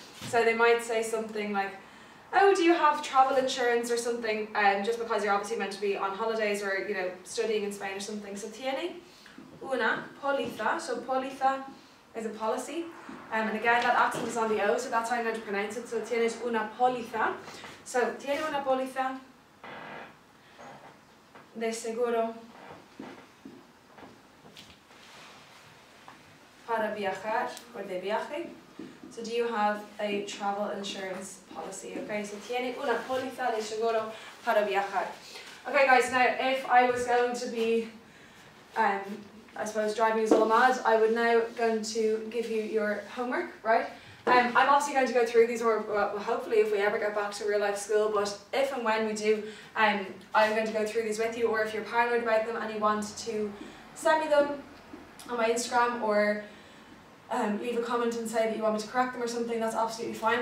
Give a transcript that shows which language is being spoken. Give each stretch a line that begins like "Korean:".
English: So they might say something like, oh, do you have travel insurance or something? Just because you're obviously meant to be on holidays or, you know, studying in Spain or something. So
Spanish: tiene una póliza.
English: So póliza is a policy. And again, that accent is on the O, so that's how I'm going to pronounce it. So
Spanish: tienes una póliza. So tiene una póliza de seguro para viajar o de viaje.
English: So do you have a travel insurance policy?
Spanish: Okay, so tiene una póliza de seguro para viajar.
English: Okay guys, now if I was going to be, I suppose driving us all mad, I would now going to give you your homework, right? I'm obviously going to go through these more, well, hopefully if we ever get back to real life school, but if and when we do, I'm going to go through these with you, or if you're paranoid about them and you want to send me them on my Instagram or leave a comment and say that you want me to correct them or something, that's absolutely fine.